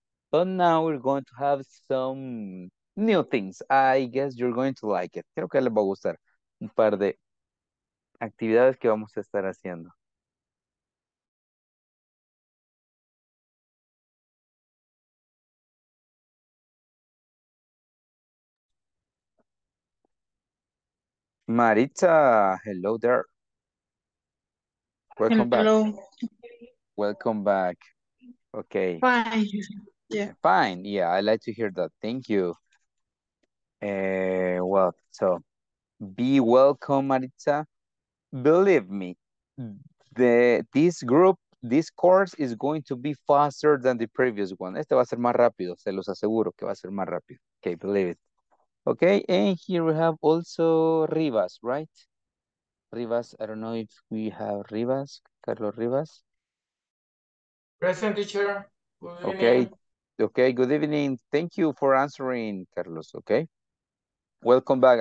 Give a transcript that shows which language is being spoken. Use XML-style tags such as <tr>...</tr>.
<en>But now we're going to have some new things. I guess you're going to like it.</en> <es>Creo que les va a gustar un par de actividades que vamos a estar haciendo.</es> <en>Maritza, hello there. Welcome back. Hello. Welcome back. Okay. Fine. Yeah. Fine. Yeah, I like to hear that. Thank you. Well, so be welcome, Maritza. Believe me, this group, this course is going to be faster than the previous one.</en> <es>Este va a ser más rápido, se los aseguro que va a ser más rápido.</es> <en>Okay, believe it. Okay, and here we have also Rivas, right? Rivas, I don't know if we have Rivas, Carlos Rivas. Present, teacher. Okay, good evening. Thank you for answering, Carlos, okay? Welcome back.</en>